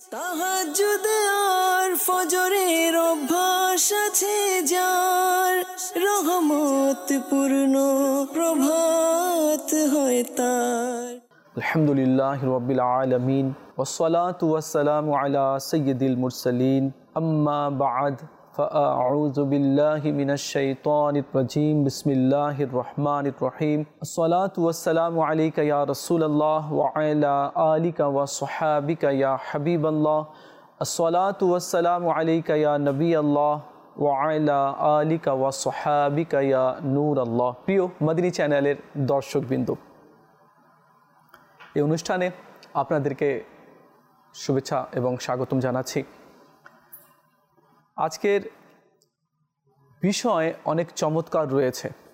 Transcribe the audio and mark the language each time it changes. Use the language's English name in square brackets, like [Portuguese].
[Bangla] তাহাজ্জুদ আর ফজরের অভ্যাস আছে যার, রহমত পূর্ণ প্রভাত হয় তার। [Arabic] আলহামদুলিল্লাহ রাব্বিল আলামিন والصلاه والسلام على سيد المرسلين اما بعد فاعوذ بالله من الشيطان الرجيم بسم الله الرحمن الرحيم والصلاه والسلام عليك يا رسول الله وعلى اليك وصحبه يا حبيب الله والصلاه والسلام عليك يا نبي الله وعلى اليك وصحبه يا نور الله। [Bangla] প্রিয় মদিনী চ্যানেলের দর্শকবৃন্দ, এই অনুষ্ঠানে আপনাদেরকে শুভেচ্ছা এবং স্বাগতম জানাচ্ছি। আজকের বিষয় অনেক চমৎকার রয়েছে।